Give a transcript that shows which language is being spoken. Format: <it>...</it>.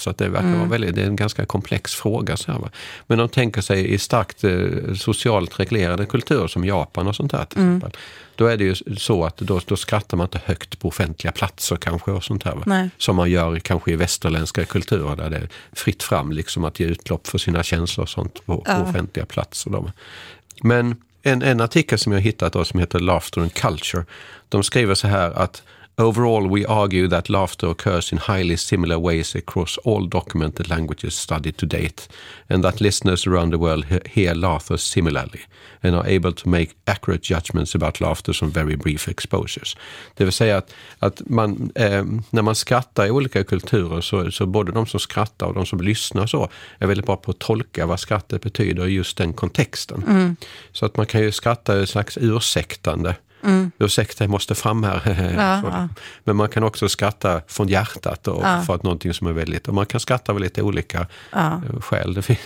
<sv>Så att det verkar vara väldigt, det är en ganska komplex fråga. Så här, va? Men de tänker sig i starkt socialt reglerade kulturer som Japan och sånt här till exempel. Då är det ju så att då skrattar man inte högt på offentliga platser kanske och sånt här. Va? Som man gör kanske i västerländska kulturer där det är fritt fram liksom, att ge utlopp för sina känslor och sånt på offentliga platser. Då. Men En artikel som jag hittat då, som heter Laughter and Culture, de skriver så här att</sv> <en>overall we argue that laughter occurs in highly similar ways across all documented languages studied to date and that listeners around the world hear laughter similarly and are able to make accurate judgments about laughter from very brief exposures.</en> <sv>Det vill säga att man, när man skrattar i olika kulturer så både de som skrattar och de som lyssnar så är väldigt bra på att tolka vad skrattet betyder i just den kontexten. Mm. Så att man kan ju skratta i en slags ursäktande. Mm. Ursäkta, jag måste fram här. Men man kan också skratta från hjärtat och för att någonting som är väldigt, och man kan skratta av lite olika skäl.</sv>